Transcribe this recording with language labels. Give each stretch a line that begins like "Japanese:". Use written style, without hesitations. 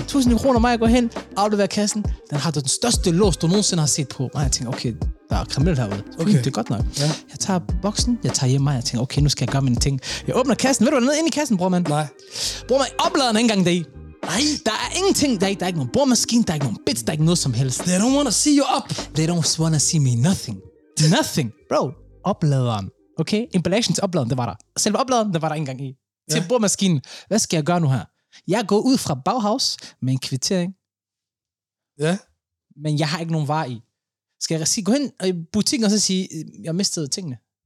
Danish: 1.000 kroner, mig går hen, afleverer kassen. Den har den største lås, du nogensinde har set på. Og jeg tænker, okay, der er kriminelt herude. Okay. Det er godt nok. Ja. Jeg tager boksen, jeg tager hjem mig, og jeg tænker, okay, nu skal jeg gøre mine ting. Jeg åbner kassen. Ved du, hvad der er inde i kassen, bror man? Nej. Bror man, opladeren er ikke engang deri. Nej. Der er ingenting, der er ikke nogen boremaskine, der er ikke nogen bits, der er ikke noget som helst.
English: They don't wanna see you up. They don't wanna see me nothing.
Danish: Nothing. Bro, opladeren. Okay, emballagen til opladeren, det var der. Selve opladeren, det var der ikke engang i. Til boremaskinen. Hvad skal jeg gøre nu her? Jeg går ud fra Bauhaus med en kvittering. Ja. Yeah. Men jeg har ikke nogen varer i. Skal jeg gå hen i butikken og så sige, jeg har mistet tingene?